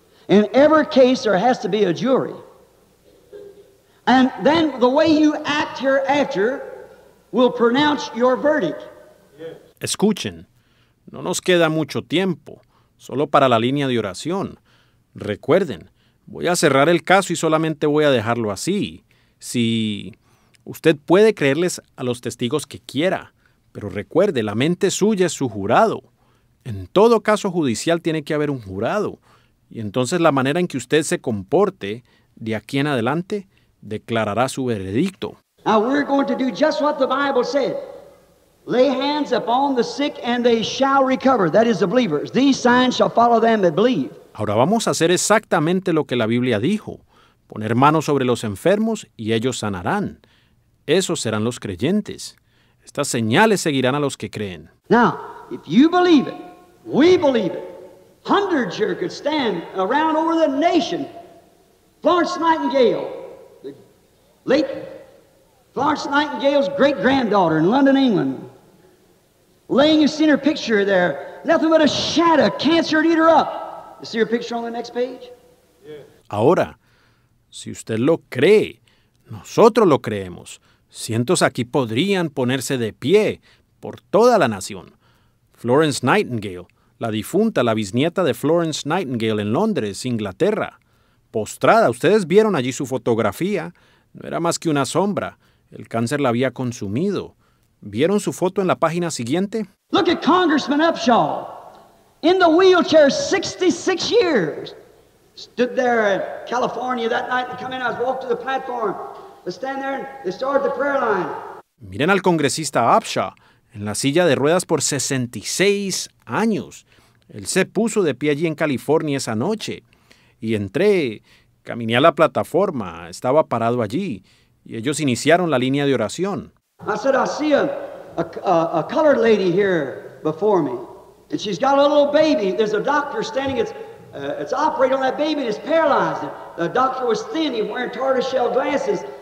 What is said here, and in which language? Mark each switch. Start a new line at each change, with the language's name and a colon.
English: In every case, there has to be a jury. And then the way you act hereafter will pronounce your verdict.
Spanish: Escuchen, no nos queda mucho tiempo, solo para la línea de oración. Recuerden, voy a cerrar el caso y solamente voy a dejarlo así. Si usted puede creerles a los testigos que quiera, pero recuerde, la mente suya es su jurado. En todo caso judicial tiene que haber un jurado. Y entonces la manera en que usted se comporte de aquí en adelante declarará su veredicto.
English: Now we're going to do just what the Bible said. Lay hands upon the sick and they shall recover. That is the believers. These signs shall follow them that believe.
Spanish: Ahora vamos a hacer exactamente lo que la Biblia dijo. Poner manos sobre los enfermos y ellos sanarán. Esos serán los creyentes. Estas señales seguirán a los que creen.
English: Now, if you believe it, we believe it. Hundreds here could stand around over the nation. Florence Nightingale, the late Florence Nightingale's great-granddaughter in London, England, laying you seen her picture there. Nothing but a shadow, cancer to eat her up. You see her picture on the next page? Yeah.
Spanish: Ahora, si usted lo cree, nosotros lo creemos. Cientos aquí podrían ponerse de pie por toda la nación. Florence Nightingale, la difunta, la bisnieta de Florence Nightingale en Londres, Inglaterra. Postrada, ustedes vieron allí su fotografía. No era más que una sombra. El cáncer la había consumido. ¿Vieron su foto en la página siguiente?
English: Look at Congressman Upshaw, in the wheelchair 66 years. Stood there in California that night and come in, I walked to the platform. They stand there and they started the prayer line.
Spanish: Miren al congresista Upshaw, en la silla de ruedas por 66 años. Él se puso de pie allí en California esa noche. Y entré, caminé a la plataforma, estaba parado allí. Y ellos iniciaron la línea de oración.
English: I said, I see a colored lady here before me. And she's got a little baby. There's a doctor standing. It's operating on that baby and it's paralyzed. The doctor was thin. He was wearing tortoise shell glasses.